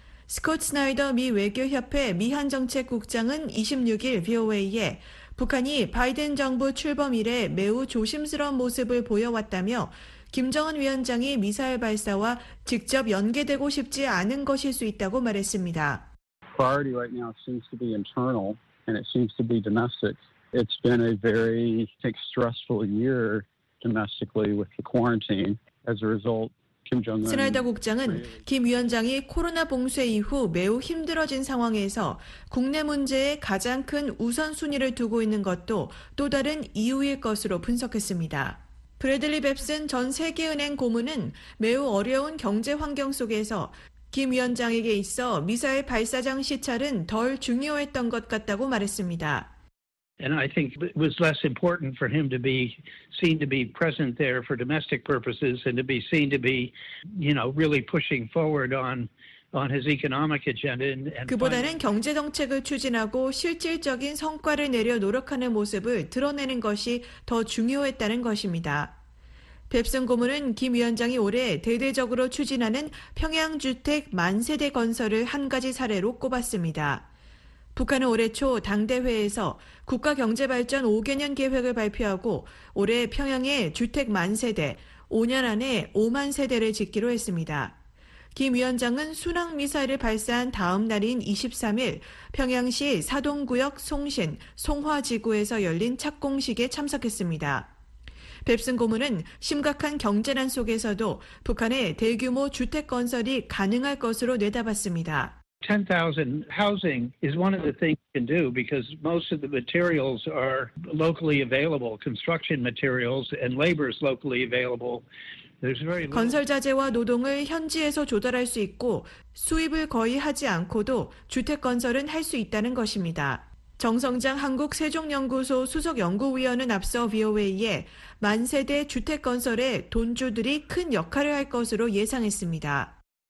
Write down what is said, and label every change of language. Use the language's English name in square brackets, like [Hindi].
[Korean] 스콧 스나이더 미 외교협회 미한정책국장은 26일 VOA에 북한이 바이든 정부 출범 이래 매우 조심스러운 모습을 보여왔다며 김정은 위원장이 미사일 발사와 직접 연계되고 싶지 않은 것일 수 있다고 말했습니다. [English] Priority right now seems to be internal and it seems to be domestic. It's been a very stressful year domestically with the quarantine. As a result, Kim Jong-un. [Korean] 스나이더 국장은 김 위원장이 코로나 봉쇄 이후 매우 힘들어진 상황에서 국내 문제에 가장 큰 우선순위를 두고 있는 것도 또 다른 이유일 것으로 분석했습니다. 브래들리 뱁슨 전 세계은행 고문은 매우 어려운 경제 환경 속에서 김 위원장에게 있어 미사일 발사장 시찰은 덜 중요했던 것 같다고 말했습니다. [English] And I think it was less important for him to be seen to be present there for domestic purposes and to be seen to be, you know, really pushing forward on his economic agenda. And [Korean] 그보다는 경제 정책을 추진하고 실질적인 성과를 내려 노력하는 모습을 드러내는 것이 더 중요했다는 것입니다. 뱁슨 고문은 김 위원장이 올해 대대적으로 추진하는 평양 주택 만 세대 건설을 한 가지 사례로 꼽았습니다. 북한은 올해 초 당대회에서 국가경제발전 5개년 계획을 발표하고 올해 평양에 주택 만 세대, 5년 안에 5만 세대를 짓기로 했습니다. 김 위원장은 순항미사일을 발사한 다음 날인 23일 평양시 사동구역 송신, 송화지구에서 열린 착공식에 참석했습니다. 뱁슨 고문은 심각한 경제난 속에서도 북한의 대규모 주택 건설이 가능할 것으로 내다봤습니다. [English] 10,000 housing is one of the things you can do because most of the materials are locally available, construction materials and labor is locally available. There's very [Korean] 건설 자재와 노동을 현지에서 조달할 수 있고 수입을 거의 하지 않고도 주택 건설은 할 수 있다는 것입니다. 정성장 한국세종연구소 수석연구위원은 앞서 VOA에 만세대 주택 건설에 돈주들이 큰 역할을 할 것으로 예상했습니다.